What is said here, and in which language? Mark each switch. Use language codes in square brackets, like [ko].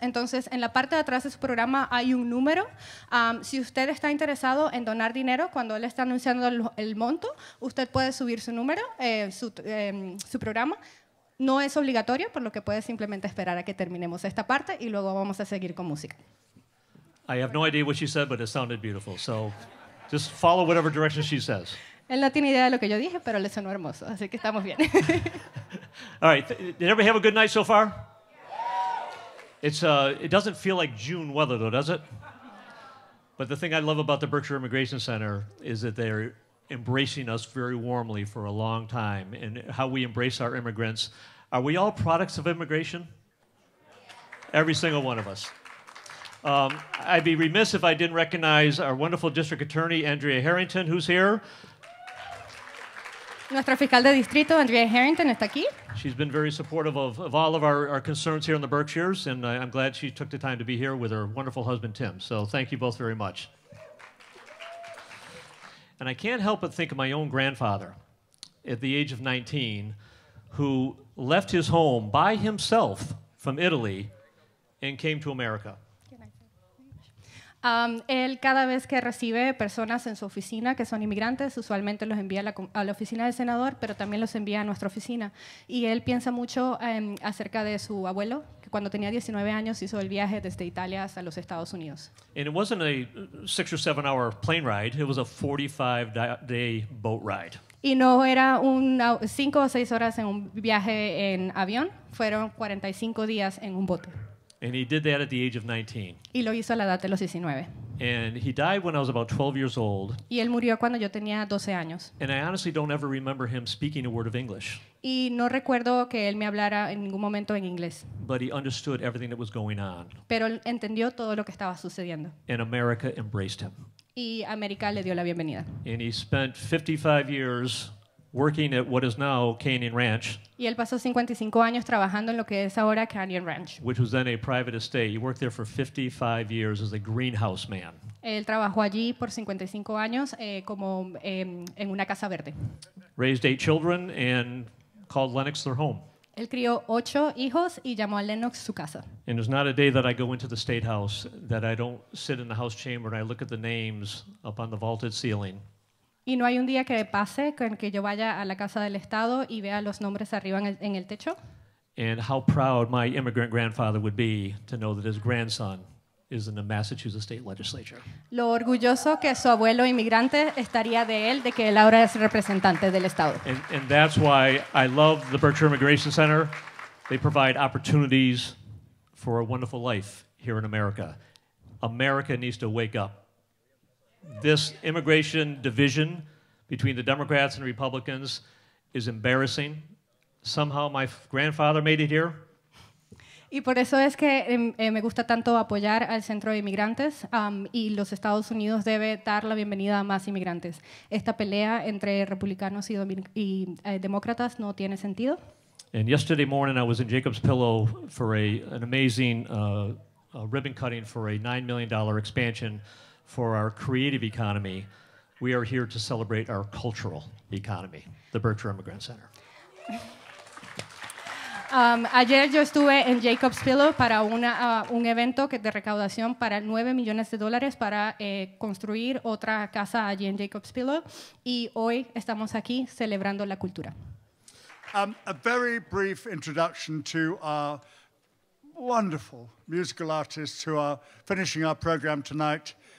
[es] Entonces, en la parte de atrás de su programa hay un número. Si usted está interesado en donar dinero, cuando él está anunciando el monto, usted puede subir su número, su programa. No es obligatorio, por lo que puede simplemente esperar a que terminemos esta parte y luego vamos a seguir con música. [en] I have no idea what she said, but it sounded beautiful. So, just follow whatever direction she says. [es] Él no tiene idea de lo que yo dije, pero le sonó hermoso, así que estamos bien. [en] All right, did everybody have a good night so far? It doesn't feel like June weather, though, does it? But the thing I love about the Berkshire Immigration Center is that they're embracing us very warmly for a long time, and how we embrace our immigrants. Are we all products of immigration? Every single one of us. I'd be remiss if I didn't recognize our wonderful district attorney, Andrea Harrington, who's here. [es] Nuestra fiscal de distrito, Andrea Harrington, está aquí. [en] She's been very supportive of all of our concerns here in the Berkshires, and I'm glad she took the time to be here with her wonderful husband, Tim. So thank you both very much. And I can't help but think of my own grandfather at the age of 19, who left his home by himself from Italy and came to America. [es] Él cada vez que recibe personas en su oficina que son inmigrantes, usualmente los envía a la oficina del senador, pero también los envía a nuestra oficina. Y él piensa mucho acerca de su abuelo, que cuando tenía 19 años hizo el viaje desde Italia hasta los Estados Unidos. [en] And it wasn't a 6 or 7 hour plane ride, it was a 45-day boat ride. [es] Y no era un 5 o 6 horas en un viaje en avión, fueron 45 días en un bote. [en] And he did that at the age of 19. [es] Y lo hizo a la edad de los 19. [en] And he died when I was about 12 years old. [es] Y él murió cuando yo tenía 12 años. [en] And I honestly don't ever remember him speaking a word of English. [es] Y no recuerdo que él me hablara en ningún momento en inglés. [en] But he understood everything that was going on. [es] Pero entendió todo lo que estaba sucediendo. [en] And America embraced him. [es] Y América le dio la bienvenida. [en] And he spent 55 years working at what is now Canyon Ranch. [es] Y él pasó 55 años trabajando en lo que es ahora Canyon Ranch. [en] Which was then a private estate. He worked there for 55 years as a greenhouse man. [es] Él trabajó allí por 55 años como en una casa verde. [en] Raised 8 children and called Lenox their home. [es] Él crió 8 hijos y llamó a Lenox su casa. [en] And there's not a day that I go into the state house that I don't sit in the house chamber and I look at the names up on the vaulted ceiling. [es] Y no hay un día que pase con que yo vaya a la Casa del Estado y vea los nombres arriba en el techo. [en] And how proud my immigrant grandfather would be to know that his grandson is in the Massachusetts State Legislature. [es] Lo orgulloso que su abuelo inmigrante estaría de él, de que él ahora es representante del Estado. [en] And that's why I love the Berkshire Immigration Center. They provide opportunities for a wonderful life here in America. America needs to wake up. This immigration division between the Democrats and Republicans is embarrassing. Somehow my grandfather made it here. [es] Y por eso es que me gusta tanto apoyar al Centro de Inmigrantes y los Estados Unidos debe dar la bienvenida a más inmigrantes. Esta pelea entre republicanos y demócratas no tiene sentido. [en] And yesterday morning I was in Jacob's Pillow for an amazing ribbon cutting for a $9 million expansion for our creative economy. We are here to celebrate our cultural economy, the Berkshire Immigrant Center. [es] Ayer yo estuve en Jacob's Pillow para un evento de recaudación para $9 million para construir otra casa allí en Jacob's Pillow. Y hoy estamos aquí celebrando la cultura. [en] A very brief introduction to our wonderful musical artists who are finishing our program tonight.